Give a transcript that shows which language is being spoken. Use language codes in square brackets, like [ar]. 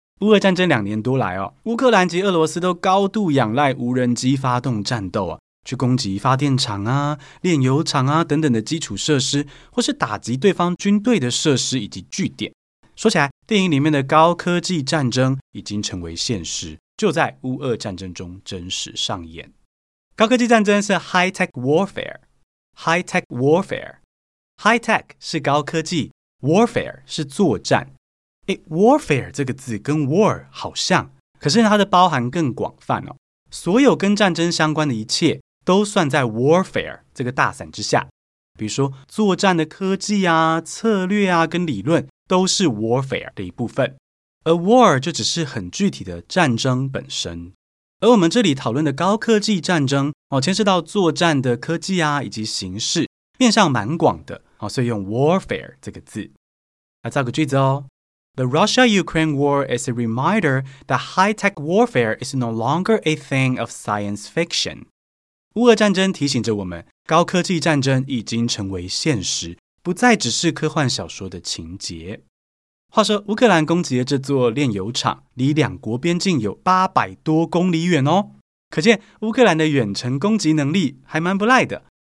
[zh] 乌俄战争两年多来哦，乌克兰及俄罗斯都高度仰赖无人机发动战斗啊。去攻击发电厂啊、炼油厂啊等等的基础设施，或是打击对方军队的设施以及据点。说起来，电影里面的高科技战争已经成为现实，就在乌俄战争中真实上演。高科技战争是 high tech warfare， high tech warfare， high tech 是高科技， warfare 是作战。诶， warfare 这个字跟 war 好像，可是它的包含更广泛哦，所有跟战争相关的一切都算在 warfare 这个大伞之下，比如说作战的科技啊、策略啊跟理论都是 warfare 的一部分。而 war 就只是很具体的战争本身。而我们这里讨论的高科技战争哦，牵涉到作战的科技啊以及形式，面向蛮广的哦，所以用 warfare 这个字。来造个句子哦 [en] ：The Russia-Ukraine war is a reminder that high-tech warfare is no longer a thing of science fiction. [zh] 乌俄战争提醒着我们，高科技战争已经成为现实，不再只是科幻小说的情节。话说，乌克兰攻击的这座炼油厂离两国边境有800多公里远哦，可见乌克兰的远程攻击能力还蛮不赖的。